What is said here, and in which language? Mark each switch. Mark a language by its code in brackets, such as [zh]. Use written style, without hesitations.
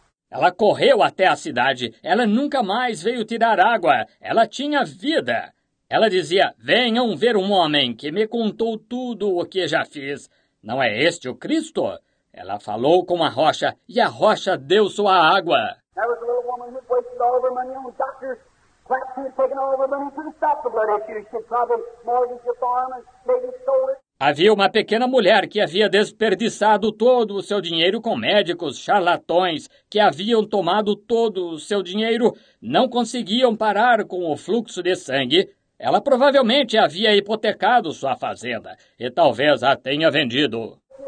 [pt] Ela correu até a cidade. Ela nunca mais veio tirar água. Ela tinha vida. Ela dizia, venham ver um homem que me contou tudo o que já fiz. Não é este o Cristo? Ela falou com a rocha e a rocha deu sua água. [en] There was a little woman who wasted all of her money on doctors. Perhaps she was taking all of her money to stop the blood issue. She probably mortgaged her farm and maybe stole it. [pt] Havia uma pequena mulher que havia desperdiçado todo o seu dinheiro com médicos charlatões que haviam tomado todo o seu dinheiro, não conseguiam parar com o fluxo de sangue. Ela provavelmente havia hipotecado sua fazenda e talvez a tenha vendido.